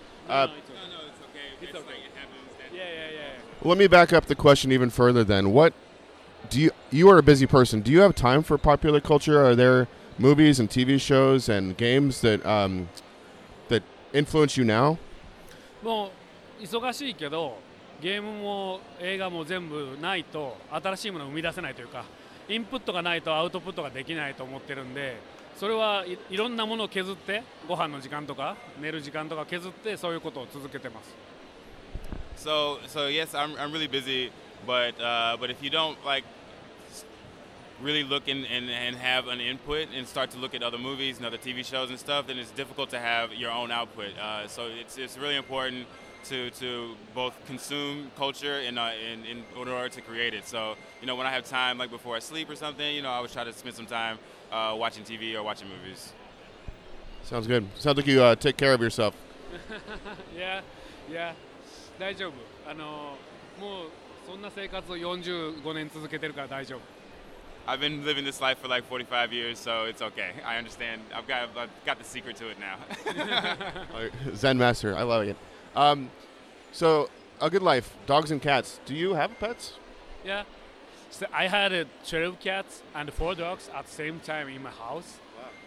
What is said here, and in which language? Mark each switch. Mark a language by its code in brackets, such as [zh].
[en] No, it's okay. It's okay. Like it happens. Yeah. Let me back up the question even further. Then, what do you? You are a busy person. Do you have time for popular culture? Are there movies and TV shows and games that influence you now? [ja] もう忙しいけど、ゲームも映画も全部ないと新しいものを生み出せないというか、インプットがないとアウトプットができないと思ってるんで、それは いろんなものを削って、ご飯の時間とか寝る時間とか削ってそういうことを続けてます。 [en] So yes, I'm really busy, but if you don't like really look and have an input and start to look at other movies and other TV shows and stuff, then it's difficult to have your own output. So it's really important to both consume culture and in order to create it. So, you know, when I have time, like before I sleep or something, you know, I always try to spend some time watching TV or watching movies. Sounds good. Sounds like you take care of yourself. [ja] yeah. 大丈夫。あの、もうそんな生活を45年続けてるから大丈夫。 [en] I've been living this life for like 45 years, so it's okay. I understand. I've got the secret to it now. Zen master. I love it. A Good Life. Dogs and cats. Do you have pets? Yeah. So I had 12 cats and 4 dogs at the same time in my house. Wow.